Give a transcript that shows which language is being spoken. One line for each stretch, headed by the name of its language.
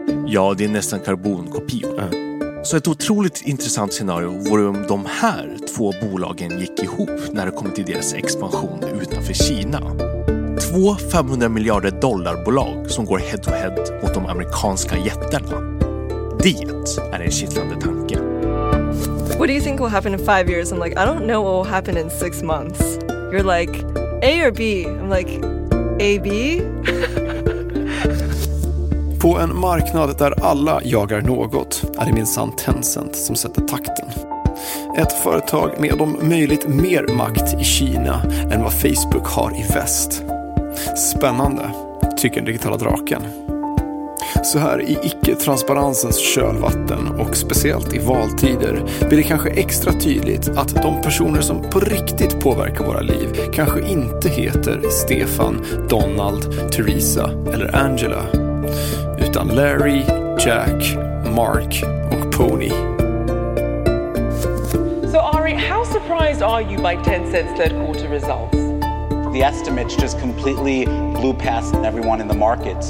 Swedish: Ja, det är nästan karbonkopior. Så ett otroligt intressant scenario vore om de här två bolagen gick ihop när det kom till deras expansion utanför Kina. Två 500 miljarder dollarbolag som går head-to-head mot de amerikanska jättarna. Det är en kittlande tanke.
English: What do you think will happen in 5 years? I'm like, I don't know what will happen in 6 months. You're like, A or B? I'm like, A, B?
Swedish: På en marknad där alla jagar något är det minsann Tencent som sätter takten. Ett företag med om möjligt mer makt i Kina än vad Facebook har i väst. Spännande, tycker den digitala draken. Så här i icke-transparensens kölvatten och speciellt i valtider blir det kanske extra tydligt att de personer som på riktigt påverkar våra liv kanske inte heter Stefan, Donald, Teresa eller Angela, utan Larry, Jack, Mark och Pony.
English: So Ari, how surprised are you by Tencent's third quarter results? The estimates just completely blew past everyone in the markets.